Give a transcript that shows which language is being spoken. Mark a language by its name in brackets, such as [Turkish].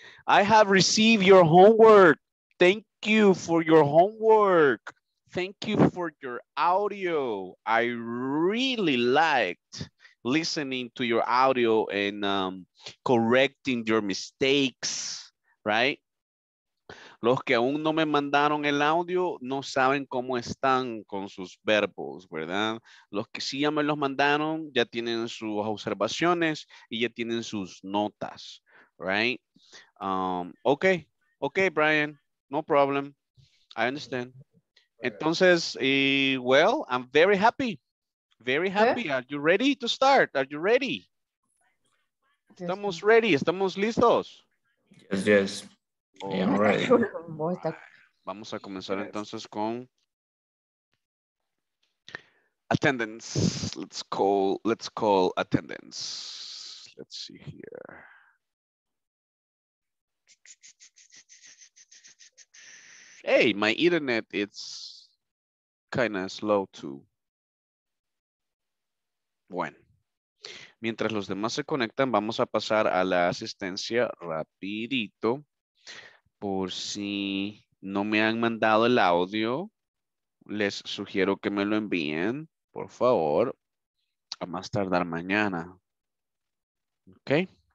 [English] I have received your homework. Thank you for your homework. Thank you for your audio. I really liked listening to your audio and correcting your mistakes, right? [Spanish] Los que aún no me mandaron el audio no saben cómo están con sus verbos, ¿verdad? Los que sí ya me los mandaron ya tienen sus observaciones y ya tienen sus notas, right? [English] Okay, okay, Brian, no problem. I understand. Entonces, well, I'm very happy. Very happy. Yeah. Are you ready to start? Are you ready? Yes, estamos ready. [Spanish] Estamos listos. [English] Yes, yes. Oh, yeah, I'm ready. [Spanish] Vamos a comenzar entonces con attendance. [English] Let's call attendance. Let's see here. Hey, my internet, it's kind of slow too. [Spanish] Bueno, mientras los demás se conectan, vamos a pasar a la asistencia rapidito, por si no me han mandado el audio, les sugiero que me lo envíen, por favor, a más tardar mañana, ¿ok?